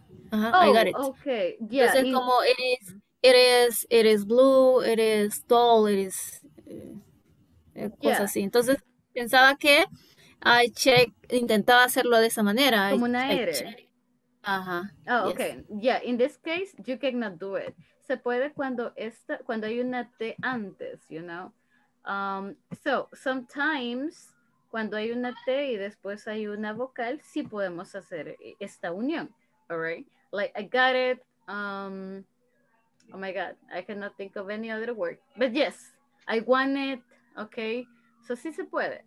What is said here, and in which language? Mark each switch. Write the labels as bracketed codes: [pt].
[en] Uh-huh. Oh, I got it. Okay. Yeah. [es] Entonces, como [en] it is blue, it is tall, it is [es] cosas así. Entonces, pensaba que intentaba hacerlo de esa manera. Como una R. Ajá. [en] Oh, okay. Yes. Yeah, in this case, you cannot do it. [es] Se puede cuando hay una T antes, [en] you know. So, sometimes, [es] cuando hay una T y después hay una vocal, sí podemos hacer esta unión. [en] All right. Like, I got it. Oh my God. I cannot think of any other word. But yes, I want it. Okay. So, [es] sí se puede.